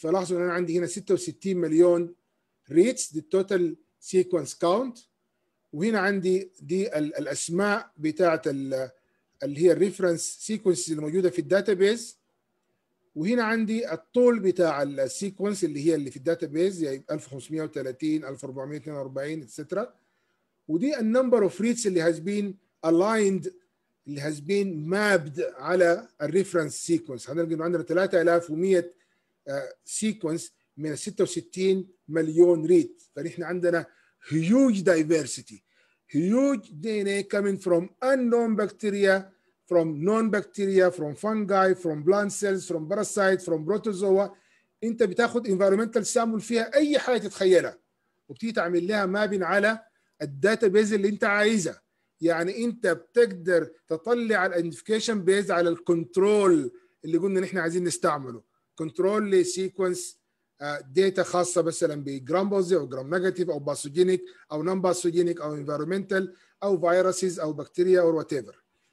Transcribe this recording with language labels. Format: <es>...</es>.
<ar>فلاحظوا أن أنا عندي هنا 66 مليون</ar> <en>reads the total sequence count,</en> <ar>وهنا عندي دي الأسماء بتاعة اللي هي reference sequences الموجودة في الداتابيز, وهنا عندي الطول بتاع السيكونس اللي هي اللي في الداتابيز, يعني 1530 1442 etc. ودي</ar> <en>the number of reads</en> <ar>اللي</ar> <en>has been aligned, اللي has been mapped</en> <ar>على الريفرنس سيكونس. هنلقى انه عندنا 3100 سيكونس من 66 مليون ريت, فنحن عندنا</ar> <en>huge diversity, huge DNA coming from unknown bacteria, from known bacteria, from fungi, from plant cells, from parasites, from protozoa.</en> <ar>انت بتاخد environmental sample فيها اي حاجه تتخيلها وبتيجي تعمل لها مابين على الداتابيز اللي انت عايزها. يعني انت بتقدر تطلع الانديفيكيشن بيز على الكنترول اللي قلنا نحن عايزين نستعمله, كنترول لسيكونس داتا خاصه مثلا بجرام بوزيتيف او جرام نيجاتيف او باثوجينيك او نون باثوجينيك او انفايرمنتال او فيروسز او بكتيريا او</ar> <en>Whatever.</en>